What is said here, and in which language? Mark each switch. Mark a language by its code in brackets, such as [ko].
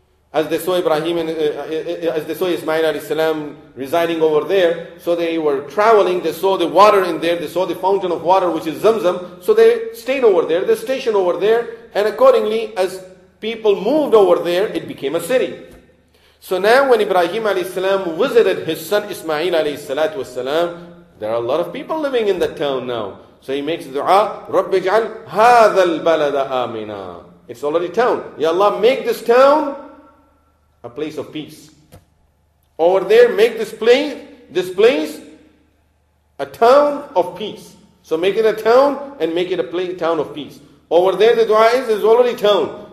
[en] As they saw Ibrahim and as they saw Ismail alayhi salam residing over there, so they were traveling, they saw the water in there, they saw the fountain of water which is Zamzam, so they stayed over there, they stationed over there, and accordingly as people moved over there, it became a city. So now when Ibrahim alayhi salam visited his son Ismail alayhi salatu wasalam, there are a lot of people living in the town now. So he makes dua, [ar] رَبِّ اجْعَلْ هَذَا الْبَلَدَ آمِنًا. [en] It's already town. Ya Allah, make this town a place of peace. Over there, make this place, a town of peace. So make it a town and make it a town of peace. Over there, the dua is already town.